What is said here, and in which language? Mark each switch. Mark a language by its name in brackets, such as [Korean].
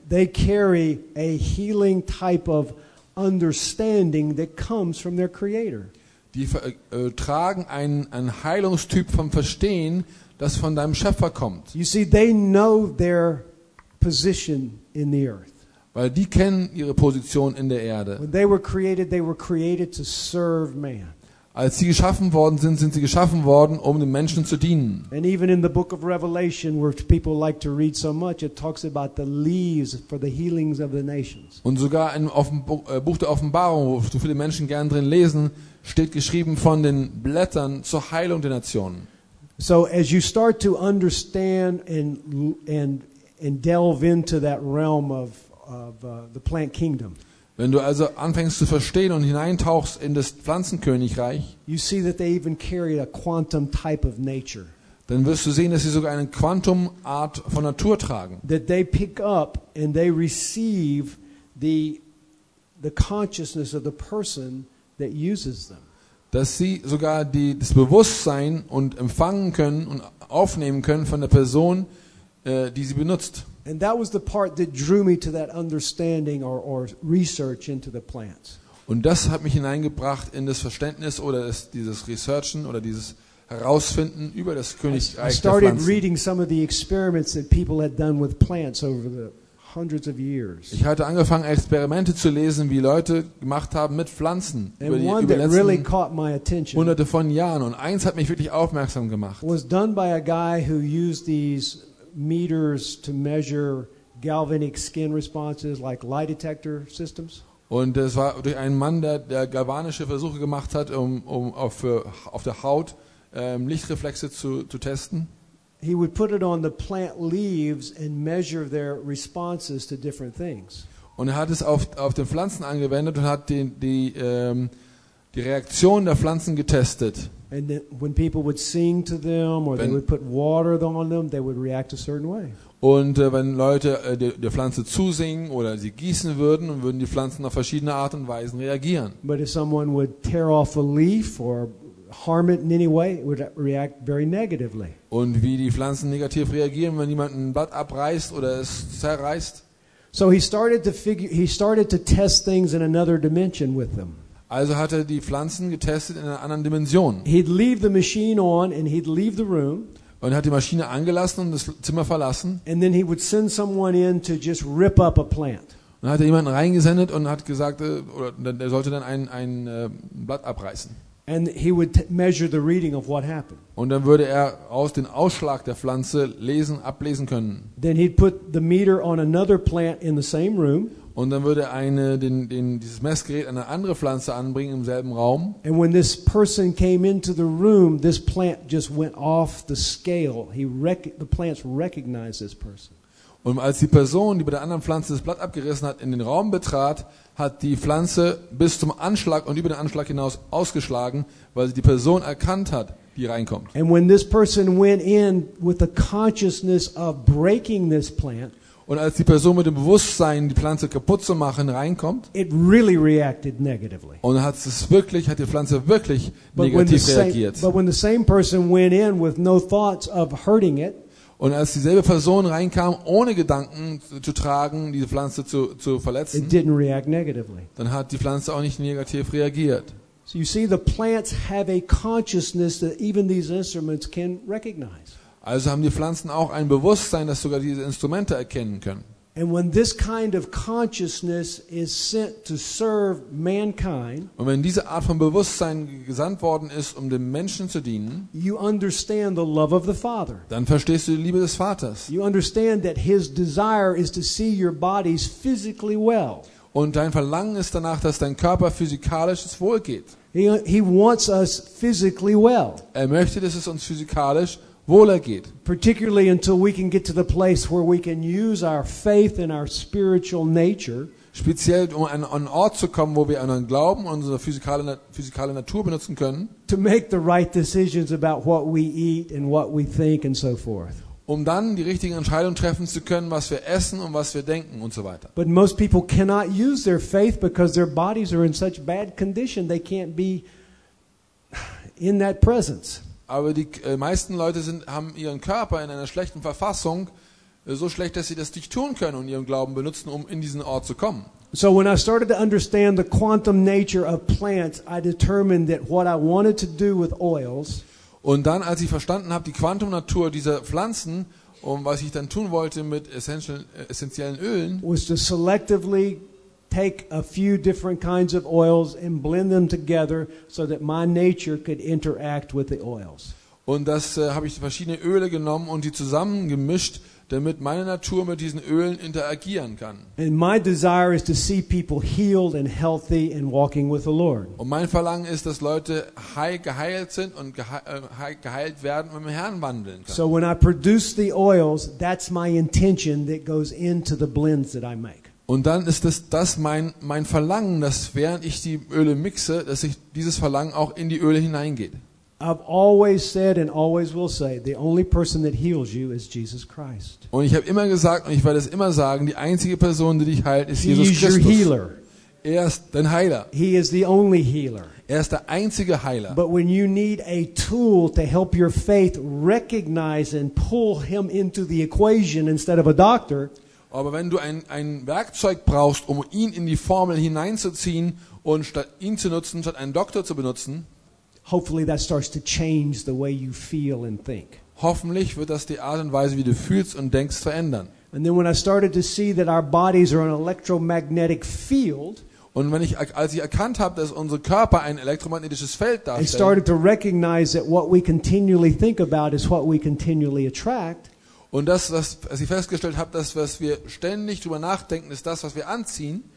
[English] And they carry a healing type of understanding that comes from their creator. [German] Die tragen einen Heilungstyp vom Verstehen, das von deinem Schöpfer kommt. [English] You see, they know their position in the earth. [German] Weil die kennen ihre Position in der Erde. [English] When they were created to serve man. [German] Als sie geschaffen worden sind, sind sie geschaffen worden, um den Menschen zu dienen. [English] And even in the book of Revelation, where people like to read so much, it talks about the leaves for the healings of the nations. [German] Und sogar im Buch der Offenbarung, wo so viele Menschen gern drin lesen, steht geschrieben von den Blättern zur Heilung der Nationen. [English] So as you start to understand and delve into that realm of the plant kingdom. [German] Wenn du also anfängst zu verstehen und hineintauchst in das Pflanzenkönigreich, [English] you see that they even carry a quantum type of nature. [German] Dann wirst du sehen, dass sie sogar eine Quantumart von Natur tragen. [English] That they pick up and they receive the consciousness of the person that uses them. [German] Dass sie sogar das Bewusstsein und empfangen können und aufnehmen können von der Person, die sie benutzt. [English] And that was the part that drew me to that understanding or research into the plants. [German] Und das hat mich hineingebracht in das Verständnis oder dieses Researchen oder dieses Herausfinden über das Königreich der Pflanzen. [English] I started reading some of the experiments that people had done with plants over the hundreds of years. [German] Ich hatte angefangen Experimente zu lesen, wie Leute gemacht haben mit Pflanzen über die letzten [English] really caught my attention [German] hunderte von Jahren. Und eins hat mich wirklich aufmerksam gemacht. [English] Was done by a guy who used these meters to measure galvanic skin responses like light detector systems. [German] Und es war durch einen Mann, der galvanische Versuche gemacht hat, um auf der Haut Lichtreflexe zu testen. [English] He would put it on the plant leaves and measure their responses to different things. [German] Und er hat es auf den Pflanzen angewendet und hat die Reaktion der Pflanzen getestet. [English] And then when people would sing to them or they would put water on them, they would react a certain way. [German] Und wenn Leute der Pflanze zusingen oder sie gießen würden, würden die Pflanzen auf verschiedene Art und Weisen reagieren. [English] But if someone would tear off a leaf or harm it in any way, it would react very negatively. [German] Und wie die Pflanzen negativ reagieren, wenn jemand ein Blatt abreißt oder es zerreißt. [English] So he started to test things in another dimension with them. [German] Also hat er die Pflanzen getestet in einer anderen Dimension. [English] He'd leave the machine on and he'd leave the room. [German] Und er hat die Maschine angelassen und das Zimmer verlassen. [English] And then he would send someone in to just rip up a plant. [German] Und hat er jemanden reingesendet und hat gesagt, oder er sollte dann ein Blatt abreißen. [English] And he would measure the reading of what happened. [German] Und dann würde er aus den Ausschlag der Pflanze ablesen können. [English] Then he'd put the meter on another plant in the same room. [German] Und dann würde dieses Messgerät eine andere Pflanze anbringen im selben Raum. [English] And when this person came into the room, this plant just went off the scale. The plants recognized this person. [German] Und als die Person, die bei der anderen Pflanze das Blatt abgerissen hat, in den Raum betrat, hat die Pflanze bis zum Anschlag und über den Anschlag hinaus ausgeschlagen, weil sie die Person erkannt hat, die reinkommt. [English] And when this person went in with the consciousness of breaking this plant, [German] und als die Person mit dem Bewusstsein, die Pflanze kaputt zu machen, reinkommt, [English] it really reacted negatively. [German] Und hat die Pflanze wirklich negativ reagiert. [English] But when the same person went in with no thoughts of hurting it, [German] und als dieselbe Person reinkam, ohne Gedanken zu tragen, diese Pflanze zu verletzen, [English] it didn't react negatively. [German] Dann hat die Pflanze auch nicht negativ reagiert. [English] So you see, the plants have a consciousness that even these instruments can recognize. [German] Also haben die Pflanzen auch ein Bewusstsein, dass sogar diese Instrumente erkennen können. [English] And when this kind of consciousness is sent to serve mankind, [German] und wenn diese Art von Bewusstsein gesandt worden ist, um dem Menschen zu dienen, [English] you understand the love of the Father. [German] Dann verstehst du die Liebe des Vaters. [English] You understand that his desire is to see your bodies physically well. [German] Und dein Verlangen ist danach, dass dein Körper physikalisch wohl geht. [English] He wants us physically well. [German] Er möchte, dass es uns physikalisch wohler geht. [English] Particularly until we can get to the place where we can use our faith and our spiritual nature. [German] Speziell um an einen Ort zu kommen, wo wir unseren Glauben und unsere physikale Natur benutzen können. [English] To make the right decisions about what we eat and what we think and so forth. [German] Um dann die richtigen Entscheidungen treffen zu können, was wir essen und was wir denken und so weiter. [English] But most people cannot use their faith because their bodies are in such bad condition they can't be in that presence. [German] Aber die meisten Leute haben ihren Körper in einer schlechten Verfassung, so schlecht, dass sie das nicht tun können und ihren Glauben benutzen, um in diesen Ort zu kommen. [English] So when I started to understand the quantum nature of plants, I determined that what I wanted to do with oils. [German] Und dann, als ich verstanden habe, die Quantumnatur dieser Pflanzen und was ich dann tun wollte mit essentiellen Ölen, [English] was to selectively take a few different kinds of oils and blend them together so that my nature could interact with the oils. [German] Und das habe ich verschiedene Öle genommen und die zusammengemischt, damit meine Natur mit diesen Ölen interagieren kann. [English] And my desire is to see people healed and healthy and walking with the Lord. [German] Und mein Verlangen ist, dass Leute heil geheilt sind und geheilt werden und mit dem Herrn wandeln können. [English] So when I produce the oils, that's my intention that goes into the blends that I make. [German] Und dann ist das mein Verlangen, dass während ich die Öle mixe, dass sich dieses Verlangen auch in die Öle hineingeht. [English] I've always said and always will say, the only person that heals you is Jesus Christ. [German] Und ich habe immer gesagt und ich werde es immer sagen, die einzige Person, die dich heilt, ist Jesus Christus. [English] He is your healer. [German] Er ist dein Heiler. [English] He is the only healer. [German] Er ist der einzige Heiler. [English] But when you need a tool to help your faith recognize and pull him into the equation instead of a doctor, [German] aber wenn du ein Werkzeug brauchst, um ihn in die Formel hineinzuziehen und statt ihn zu nutzen, statt einen Doktor zu benutzen, [English] hopefully that starts to change the way you feel and think. [German] Hoffentlich wird das die Art und Weise, wie du fühlst und denkst, verändern. [English] And then when I started to see that our bodies are an electromagnetic field, [German] und wenn ich als ich erkannt habe, dass unser Körper ein elektromagnetisches Feld darstellt, [English] I started to recognize that what we continually think about is what we continually attract. [German] Und das, was ich festgestellt habe, dass was wir ständig drüber nachdenken, ist das, was wir anziehen.